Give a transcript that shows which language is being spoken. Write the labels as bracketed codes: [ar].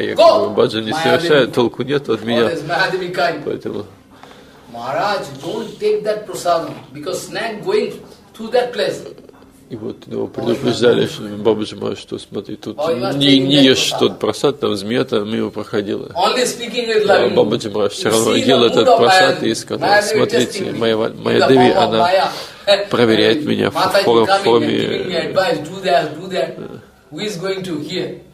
[ru] Я говорю, Баджа не совершает, толку нет от меня. Поэтому. [en] Maharaj, don't take that prasadam, because snake going to that place. [ru] И вот его предупреждали, что Бабаджи Махарадж, что смотри, тут не ешь тот прасад, там змея там мимо проходила. Бабаджи Махарадж все равно ел этот прасад и сказал, смотрите, моя деви, она проверяет меня в форме.